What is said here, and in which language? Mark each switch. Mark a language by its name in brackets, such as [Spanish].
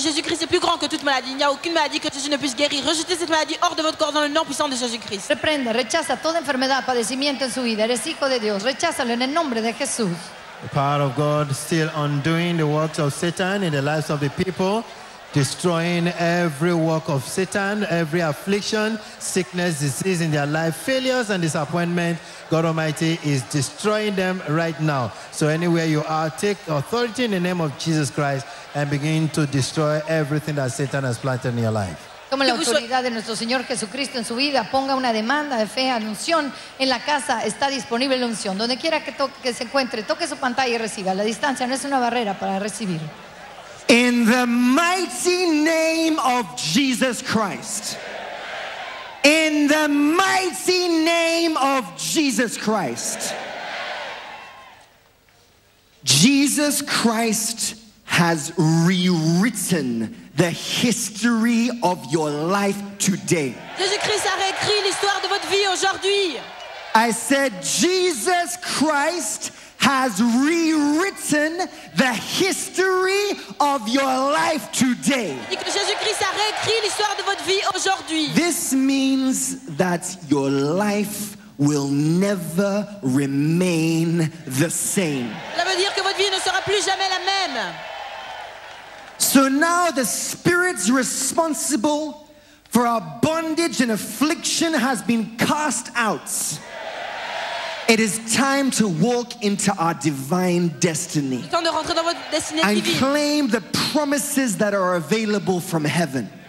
[French] Jésus-Christ est plus grand que toute maladie. Il n'y a aucune maladie que Jésus ne puisse guérir. Rejetez cette maladie hors de votre corps dans le nom puissant de Jésus-Christ. [Spanish] Reprende, rechaza toda enfermedad, padecimiento en su vida. Eres hijo de Dios. Recházalo en el nombre de Jesús. [English] The power of God still undoing the works of Satan in the lives of the people. destroying every work of Satan, every affliction, sickness, disease in their life, failures and disappointment. God Almighty is destroying them right now. So anywhere you are, take authority in the name of Jesus Christ and begin to destroy everything that Satan has planted in your life. [Spanish] Toma la autoridad de nuestro Señor Jesucristo en su vida. Ponga una demanda de fe, unción en la casa. Está disponible la unción. Donde quiera que toque, que se encuentre, toque su pantalla y reciba. La distancia no es una barrera para recibir. [English] In the mighty name of Jesus Christ. In the mighty name of Jesus Christ. Jesus Christ has rewritten the history of your life today. [French] Jésus-Christ a réécrit l'histoire de votre vie aujourd'hui. [English] I said Jesus Christ has rewritten the history of your life today. [French] Jésus-Christ a réécrit l'histoire de votre vie aujourd'hui. [English] This means that your life will never remain the same. [French] Ça veut dire que votre vie ne sera plus jamais la même. [English] So now the spirits responsible for our bondage and affliction has been cast out. It is time to walk into our divine destiny. And claim the promises that are available from heaven.